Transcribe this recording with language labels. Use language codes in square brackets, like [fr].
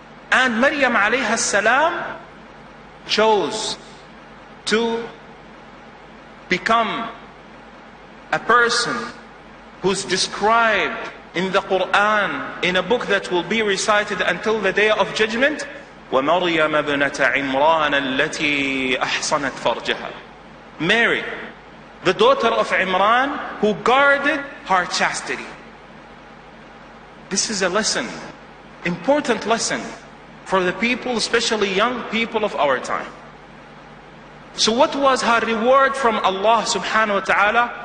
[en] And Maryam alayha salam chose to become a person who's described in the Quran in a book that will be recited until the day of judgment. [ar] ومريم ابنة عمران التي أحصنت فرجها. [en] Mary, the daughter of Imran, who guarded her chastity. This is a lesson, important lesson for the people, especially young people of our time. So what was her reward from Allah subhanahu wa ta'ala?